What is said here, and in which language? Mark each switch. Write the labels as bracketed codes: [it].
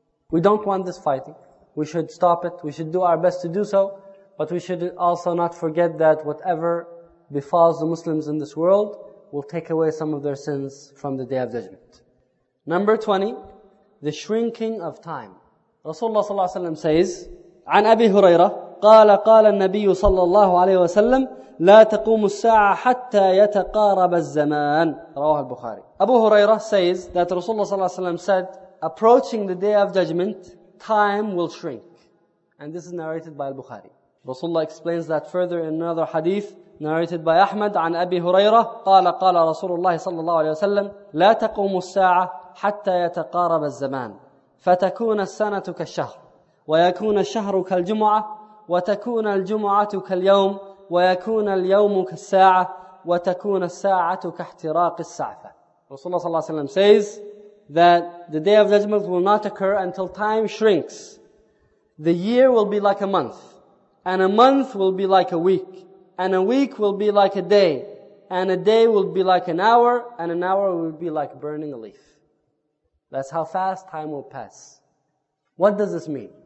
[en] We don't want this fighting. We should stop it. We should do our best to do so. But we should also not forget that whatever befalls the Muslims in this world will take away some of their sins from the Day of Judgment. Number 20, the shrinking of time. [ar] Rasulullah sallallahu alaihi wasallam says, عن أبي هريرة قال قال النبي صلى الله عليه وسلم لا تقوم الساعة حتى يتقارب الزمان. رواه البخاري. [en] Abu Huraira says that Rasulullah sallallahu alaihi wasallam said, approaching the Day of Judgment, time will shrink. And this is narrated by al-Bukhari. Rasulullah explains that further in another hadith narrated by Ahmad [ar] عن أبي هريرة قال قال رسول الله صلى الله عليه وسلم لا تقوم الساعة حتى يتقارب الزمان فتكون السنة كالشهر ويكون الشهر كالجمعة وتكون الجمعة كاليوم ويكون اليوم كالساعة وتكون الساعة كاحتراق السعفة. [en] Rasulullah صلى الله عليه وسلم says that the Day of Judgment will not occur until time shrinks. The year will be like a month. And a month will be like a week. And a week will be like a day. And a day will be like an hour. And an hour will be like burning a leaf. That's how fast time will pass. What does this mean?